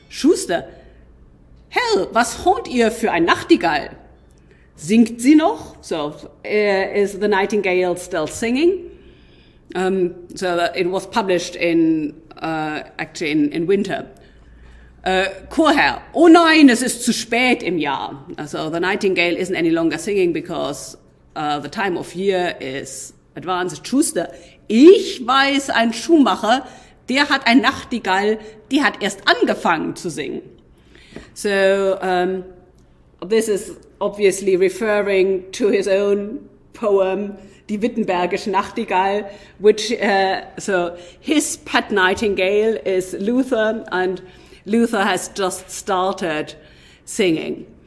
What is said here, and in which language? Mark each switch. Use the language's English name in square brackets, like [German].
[German] Schuster, Herr, was hornt ihr für ein Nachtigall? Singt sie noch? [English] So is the nightingale still singing? So it was published in winter. [German] Chorherr, oh nein, es ist zu spät im Jahr. [English] So the nightingale isn't any longer singing because the time of year is advanced. [German] Schuster, ich weiß ein Schuhmacher, der hat ein Nachtigall, die hat erst angefangen zu singen. [English] So this is obviously referring to his own poem, Die Wittenbergische Nachtigall, which, so his pet nightingale is Luther, and Luther has just started singing.